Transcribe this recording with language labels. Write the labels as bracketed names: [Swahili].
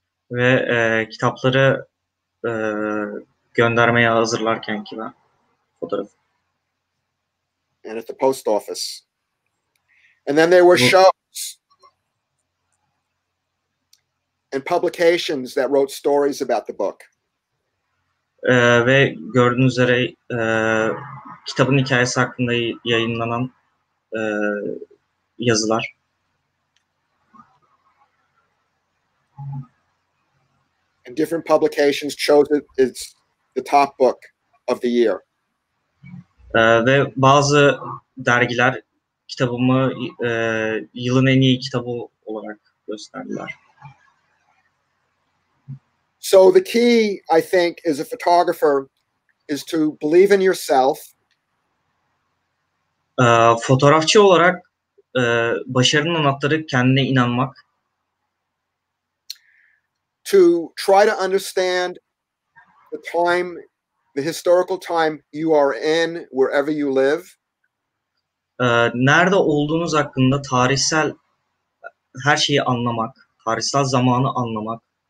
[Turkish] Ve kitapları göndermeye hazırlarkenki ben fotoğrafım. [English] And at the post office. And then there were shows and publications that wrote stories about the book. [Turkish] Ve gördüğünüz üzere kitabın hikayesi hakkında yayınlanan yazılar. [English] And different publications chose it as the top book of the year. [Turkish] Ve bazı dergiler kitabımı yılın en iyi kitabı olarak gösterdiler. [English] So the key, I think, as a photographer, is to believe in yourself. [Turkish] Fotoğrafçı olarak başarının anahtarı kendine inanmak. [English] To try to understand the time, the historical time you are in, wherever you live. [Turkish] Nerede olduğunuz hakkında tarihsel her şeyi anlamak, tarihsel zamanı anlamak.